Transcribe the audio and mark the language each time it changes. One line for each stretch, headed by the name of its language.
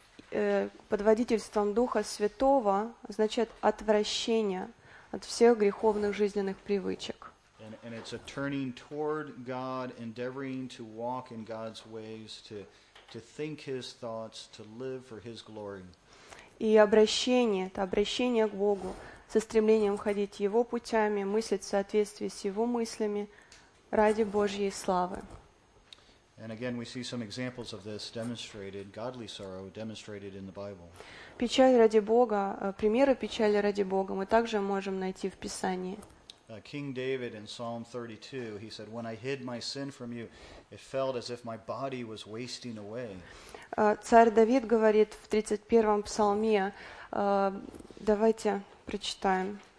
Russian: Под водительством Духа Святого значит отвращение от всех греховных жизненных привычек.
English: And it's a turning toward God, endeavoring to walk in God's ways, to think His thoughts, to live for His glory.
Russian: И обращение, это обращение к Богу, со стремлением ходить Его путями, мыслить в соответствии с Его мыслями ради Божьей славы.
English: And again, we see some examples of this demonstrated, godly sorrow demonstrated in the Bible.
Russian: Печаль ради Бога, примеры печали ради Бога мы также можем найти в Писании.
English: King David in Psalm 32, he said, "When I hid my sin from you, it felt as if my body was wasting away."
Russian: Царь Давид говорит в 31-м псалме, давайте прочитаем.